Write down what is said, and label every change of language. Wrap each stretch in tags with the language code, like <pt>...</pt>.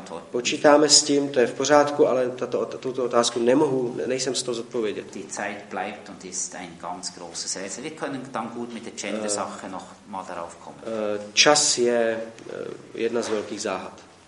<cs>Počítáme s tím, to je v pořádku, ale tuto otázku nemohu, nejsem s toho zodpovědět.</cs> <de>Die Zeit bleibt und ist ein ganz großes Rätsel. Wir können dann gut mit der Gender-Sache noch mal darauf kommen.</de> <cs>Čas je jedna z velkých záhad.</cs>